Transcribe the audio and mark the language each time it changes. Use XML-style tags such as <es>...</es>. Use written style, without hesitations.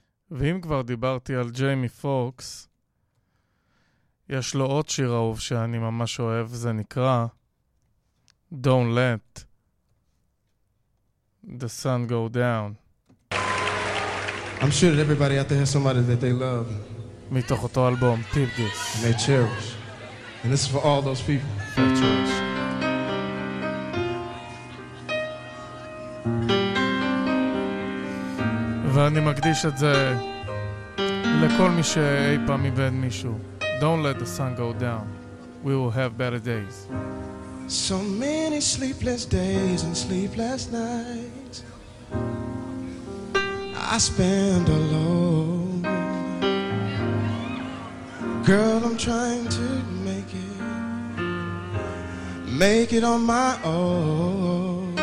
<he>ואם כבר דיברתי על ג'יימי פוקס, יש לו עוד שיר אהוב שאני ממש אוהב, זה נקרא Don't Let the Sun Go Down.</he> <en>I'm sure that everybody out there has somebody that they love.</en> <he>מתוך אותו אלבום, Peep This.</he> <en>And they cherish. And this is for all those people. They cherish.</en> <he>ואני מקדיש את זה לכל מי שאי פעם איבד מישהו.</he> <en>Don't let the sun go down. We will have better days. So many sleepless days and sleepless nights I spend alone. Girl, I'm trying to make it, make it on my own.</en>